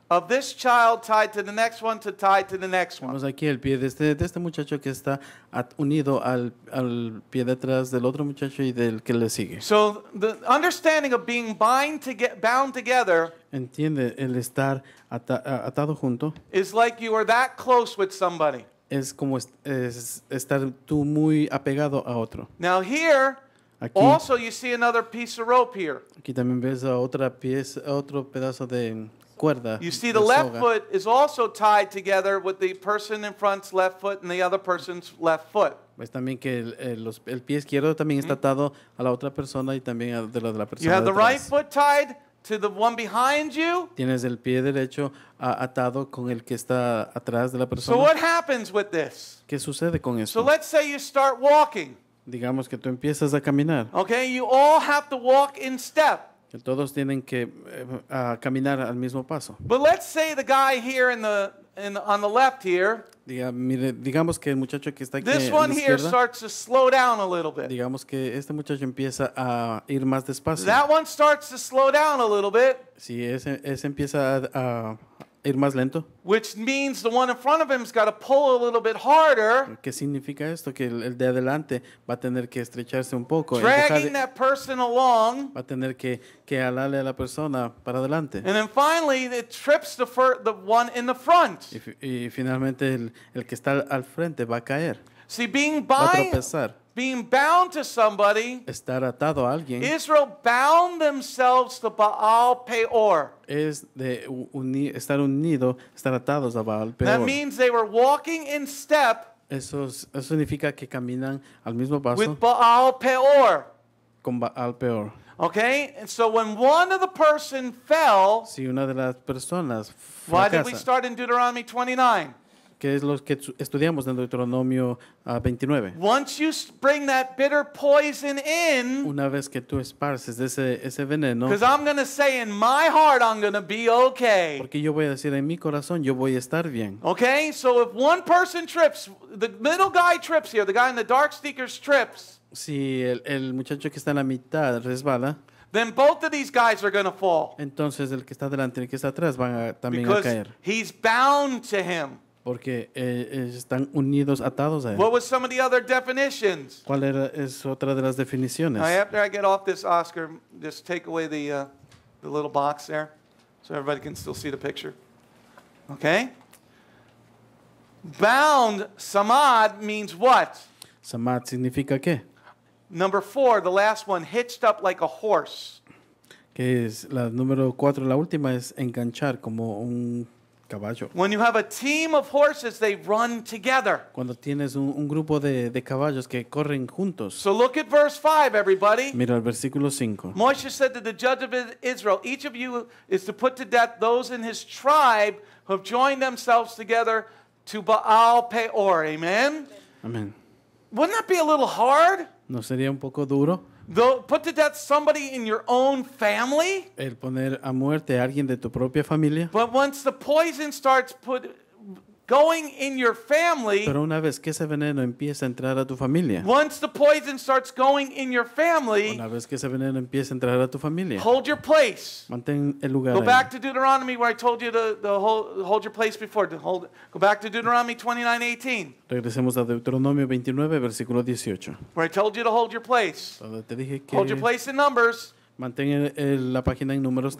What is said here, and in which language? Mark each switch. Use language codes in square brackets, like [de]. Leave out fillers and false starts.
[en] Of this child tied to the next one to tied to the next one. [es] Vemos aquí el pie de este muchacho que está unido al pie detrás del otro muchacho y del que le sigue. [en] So the understanding of being bound together. [es] Entiende el estar atado junto. [en] Is like you are that close with somebody. [es] Es como estar tú muy apegado a otro. [en] Now here. [es] Aquí, [en] also, you see another piece of rope here. [es] Aquí también ves otra pieza, otro pedazo de cuerda. [en] You see the left foot is also tied together with the person in front's left foot and the other person's left foot. [es] Ves también que el pie izquierdo también está atado a la otra persona y también a de la persona detrás. [en] You have the right foot tied to the one behind you. [es] Tienes el pie derecho atado con el que está atrás de la persona. [en] So what happens with this? [es] ¿Qué sucede con eso? [en] So let's say you start walking. [es] Digamos que tú empiezas a caminar. [en] Okay, you all have to walk in step. [es] Todos tienen que caminar al mismo paso. [en] But let's say the guy here on the left here. [es] Digamos que el muchacho que está aquí. [en] This one here starts to slow down a little bit. [es] Digamos que este muchacho empieza a ir más despacio. [en] That one starts to slow down a little bit. [es] Sí, ese empieza a ir más lento. [en] Which means the one in front of him's got to pull a little bit harder. [es] ¿Qué significa esto? Que el de adelante va a tener que estrecharse un poco. [en] Dragging that person along. [es] Va a tener que alarle a la persona para adelante. [en] And then finally, it trips the one in the front. [es] Y finalmente el que está al frente va a caer. [en] See, being bound. [es] Va a tropezar. [en] Being bound to somebody. [es] Estar atado a alguien. [en] Israel bound themselves to Baal Peor. [es] Es de estar unido, estar atados a Baal Peor. [en] That means they were walking in step. [es] Eso significa que caminan al mismo paso. [en] With Baal Peor. [es] Con Baal Peor. [en] Okay, and so when one of the person fell. [es] Si una de las personas fracasa. [en] Why did we start in Deuteronomy 29? [es] Que es lo que estudiamos en Deuteronomio 29. [en] Once you bring that bitter poison in, [es] una vez que tú esparces ese veneno, [en] because I'm going to say in my heart I'm going to be okay. [es] Porque yo voy a decir en mi corazón yo voy a estar bien. [en] Okay, so if one person trips, the middle guy trips here, the guy in the dark sneakers trips. [es] Si el muchacho que está en la mitad resbala. [en] Then both of these guys are going to fall. [es] Entonces el que está delante y el que está atrás van también [en] because [es] a caer. [en] He's bound to him. [es] Porque están unidos, atados a él. [en] What was some of the other definitions? [es] ¿Cuál era es otra de las definiciones? [en] Now, after I get off this Oscar, just take away the little box there, so everybody can still see the picture. Okay. Bound samad means what? [es] Samad significa qué? [en] Number four, the last one, hitched up like a horse. [es] Que es la número cuatro, la última es enganchar como un caballo. [en] When you have a team of horses, they run together. [es] Cuando tienes un grupo de caballos que corren juntos. [en] So look at verse 5, everybody. [es] Mira el versículo 5. [en] Moshe said to the judge of Israel, each of you is to put to death those in his tribe who have joined themselves together to Baal Peor. Amen? Amen. Wouldn't that be a little hard? [es] ¿No sería un poco duro? [en] Put to death somebody in your own family. [es] El poner a muerte a alguien de tu propia familia. [en] But once the poison starts going in your family. [es] Pero una vez que ese veneno empieza a entrar a tu familia. [en] Once the poison starts going in your family. [es] Una vez que ese veneno empieza a entrar a tu familia. [en] Hold your place. [es] Mantén el lugar. [en] Go back to Deuteronomy where I told you to hold your place before. Go back to Deuteronomy 29:18. [es] Regresemos a Deuteronomio 29, versículo 18. [en] Where I told you to hold your place. [es] Donde te dije que [en] hold your place in Numbers. [es] Mantén la página en Números.